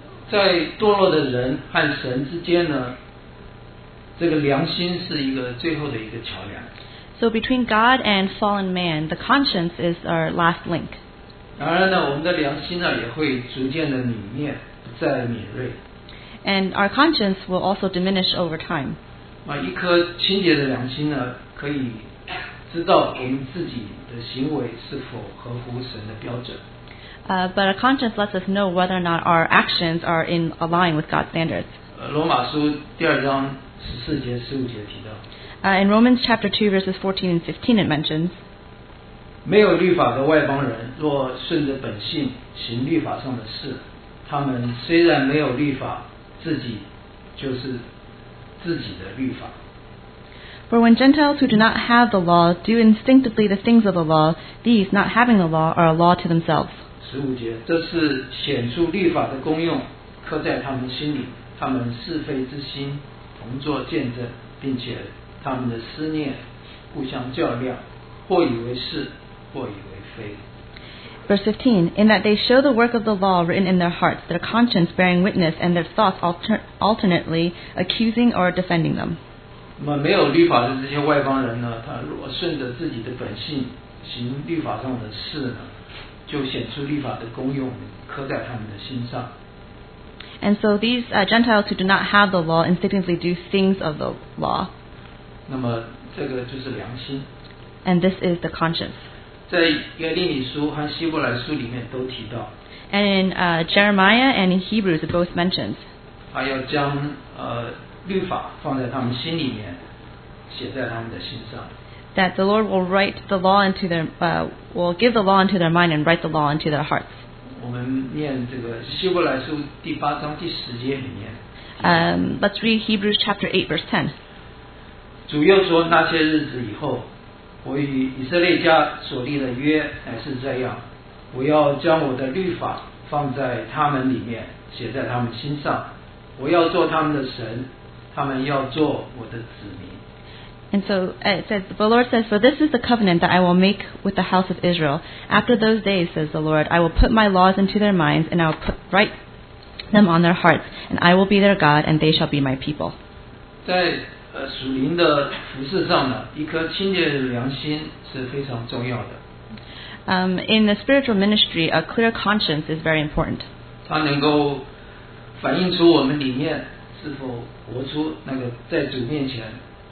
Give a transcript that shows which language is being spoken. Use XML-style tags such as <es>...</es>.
<zh>在堕落的人和神之间呢，这个良心是一个最后的一个桥梁。</zh> <en>So between God and fallen man, the conscience is our last link.</en> <zh>然而呢，我们的良心呢也会逐渐的泯灭，不再敏锐。</zh> <en>And our conscience will also diminish over time.</en> <zh>一颗清洁的良心呢，可以知道我们自己的行为是否合乎神的标准。</zh> <en>But a conscience lets us know whether or not our actions are in align with God's standards.</en> <zh>罗马书第二章十四节十五节提到。</zh> <en>In Romans chapter 2 verses 14 and 15 it mentions.</en> <zh>没有律法的外邦人若顺着本性行律法上的事，他们虽然没有律法，自己就是自己的律法。</zh> <en>For when Gentiles who do not have the law do instinctively the things of the law, these not having the law are a law to themselves.</en> <zh>十五节，这是显出律法的功用，刻在他们心里，他们是非之心同作见证，并且他们的思念互相较量，或以为是，或以为非。</zh> <en>Verse 15, in that they show the work of the law written in their hearts, their conscience bearing witness, and their thoughts alternately accusing or defending them.</en> <zh>那么没有律法的这些外邦人呢，他若顺着自己的本性行律法上的事呢，就显出律法的功用，刻在他们的心上。</zh> <en>And so these Gentiles who do not have the law instinctively do things of the law.</en> <zh>那么这个就是良心。</zh> <en>And this is the conscience.</en> <zh>在耶利米书和希伯来书里面都提到。</zh> <en>And in Jeremiah and in Hebrews it both mentions.</en> <zh>他要将律法放在他们心里面，写在他们的心上。</zh> <en>That the Lord will write the law into their, will give the law into their mind and write the law into their hearts.</en> <zh>我们念这个希伯来书第八章第十节里面。</zh> <en>Let's read Hebrews chapter 8 verse 10.</en> <zh>主又说，那些日子以后，我与以色列家所立的约乃是这样，我要将我的律法放在他们里面，写在他们心上。我要做他们的神，他们要做我的子民。</zh> <en>And so it says, the Lord says, for this is the covenant that I will make with the house of Israel. After those days, says the Lord, I will put my laws into their minds, and I will put, write them on their hearts, and I will be their God, and they shall be my people.</en> <zh>在属灵的服事上呢，一颗清洁的良心是非常重要的。</zh> <en>In the spiritual ministry, a clear conscience is very important.</en> <zh>它能够反映出我们里面是否活出那个在主面前。</zh>